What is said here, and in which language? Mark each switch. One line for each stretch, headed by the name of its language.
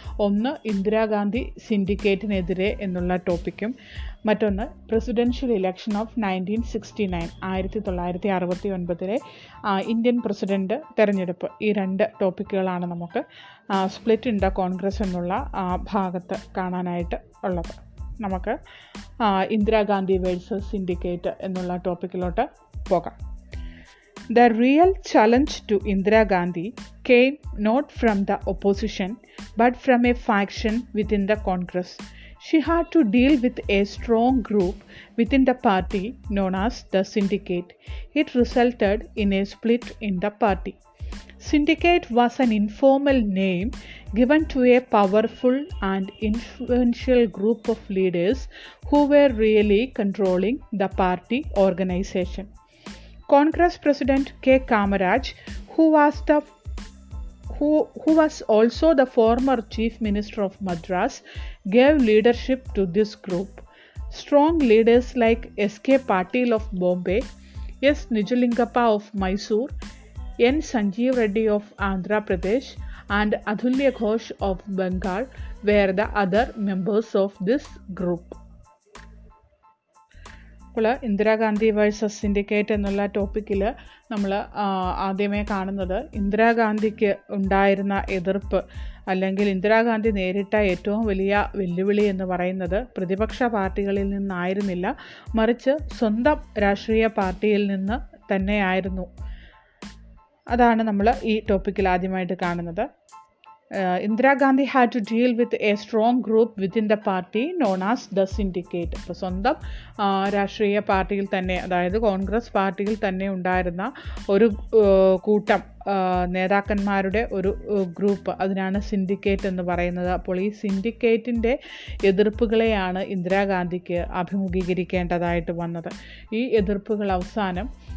Malayalam: ഒന്ന്, ഇന്ദിരാഗാന്ധി സിൻഡിക്കേറ്റിനെതിരെ എന്നുള്ള ടോപ്പിക്കും മറ്റൊന്ന്
English: presidential election of 1969,
Malayalam: 1969-ലെ Indian president തെരഞ്ഞെടുപ്പ്. ഈ രണ്ട് ടോപ്പിക്കുകളാണ് നമുക്ക്
English: split in the Congress
Malayalam: എന്നുള്ള ഭാഗത്ത് കാണാനായിട്ട് ഉള്ളത്. നമുക്ക് ഇന്ദിരാഗാന്ധി വേഴ്സസ് സിൻഡിക്കേറ്റ് എന്നുള്ള ടോപ്പിക്കിലോട്ട് പോകാം.
English: The real challenge to Indira Gandhi came not from the opposition but from a faction within the Congress. She had to deal with a strong group within the party known as the Syndicate. It resulted in a split in the party. Syndicate was an informal name given to a powerful and influential group of leaders who were really controlling the party organization. Congress President K. Kamaraj, who was also the former Chief Minister of Madras, gave leadership to this group. Strong leaders like S. K. Patil of Bombay, S. Nijalingappa of Mysore, N. Sanjeev Reddy of Andhra Pradesh, and Adulya Ghosh of Bengal were the other members of this group.
Malayalam: ഇപ്പോൾ Indira Gandhi versus syndicate എന്നുള്ള ടോപ്പിക്കിൽ നമ്മൾ ആദ്യമേ കാണുന്നത് ഇന്ദിരാഗാന്ധിക്ക് ഉണ്ടായിരുന്ന എതിർപ്പ്, അല്ലെങ്കിൽ ഇന്ദിരാഗാന്ധി നേരിട്ട ഏറ്റവും വലിയ വെല്ലുവിളി എന്ന് പറയുന്നത് പ്രതിപക്ഷ പാർട്ടികളിൽ നിന്നായിരുന്നില്ല, മറിച്ച് സ്വന്തം രാഷ്ട്രീയ പാർട്ടിയിൽ നിന്ന് തന്നെയായിരുന്നു. അതാണ് നമ്മൾ ഈ ടോപ്പിക്കിൽ ആദ്യമായിട്ട് കാണുന്നത്.
English: Indira Gandhi had to deal with a strong group within the party known as the Syndicate.
Malayalam: അപ്പോൾ സ്വന്തം രാഷ്ട്രീയ പാർട്ടിയിൽ തന്നെ, അതായത് കോൺഗ്രസ് പാർട്ടിയിൽ തന്നെ ഉണ്ടായിരുന്ന ഒരു കൂട്ടം നേതാക്കന്മാരുടെ ഒരു ഗ്രൂപ്പ്, അതിനാണ് സിൻഡിക്കേറ്റ് എന്ന് പറയുന്നത്. അപ്പോൾ ഈ സിൻഡിക്കേറ്റിൻ്റെ എതിർപ്പുകളെയാണ് ഇന്ദിരാഗാന്ധിക്ക് അഭിമുഖീകരിക്കേണ്ടതായിട്ട് വന്നത്. ഈ എതിർപ്പുകൾ അവസാനം